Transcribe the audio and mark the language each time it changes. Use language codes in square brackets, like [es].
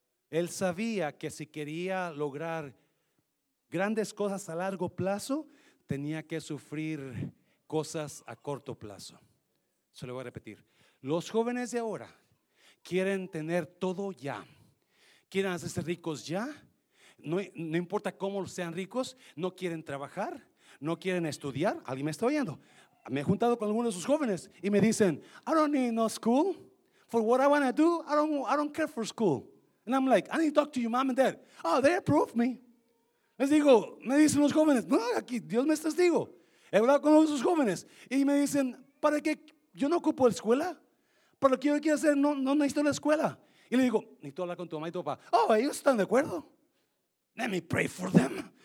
[es] Él sabía que si quería lograr grandes cosas a largo plazo, tenía que sufrir cosas a corto plazo. Se lo voy a repetir. Los jóvenes de ahora quieren tener todo ya. Quieren hacerse ricos ya. No importa cómo sean ricos, no quieren trabajar, no quieren estudiar. [en] ¿Alguien me está oyendo? Me he juntado con algunos de sus jóvenes y me dicen: I don't need no school. For what I want to do, I don't care for school. And I'm like, I need to talk to your mom and dad. Oh, they approve me. [es] Les digo, me dicen los jóvenes, no, aquí Dios me testigo. He hablado con algunos de sus jóvenes y me dicen: ¿para qué? Yo no ocupo la escuela. Para lo que yo quiero hacer, no necesito la escuela. Y le digo, necesito hablar con tu mamá y tu papá. Oh, ellos están de acuerdo. [en] Let me pray for them.